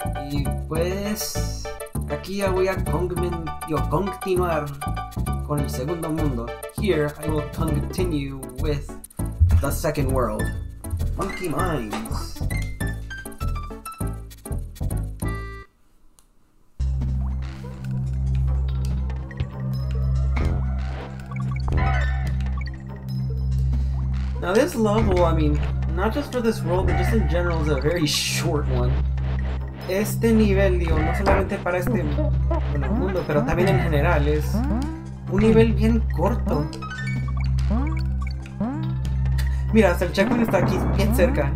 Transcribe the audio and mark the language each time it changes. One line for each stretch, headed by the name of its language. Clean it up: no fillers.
Spanish: Y pues, aquí ya voy a KONGtinuar con el segundo mundo.
English: Here I will KONGtinue with the second world. Monkey Mines. Now this level, I mean, not just for this world, but just in general, is a very short one.
Spanish: Este nivel, digo, no solamente para este mundo, pero también en general, es un nivel bien corto. Mira, hasta el checkpoint está aquí, bien cerca.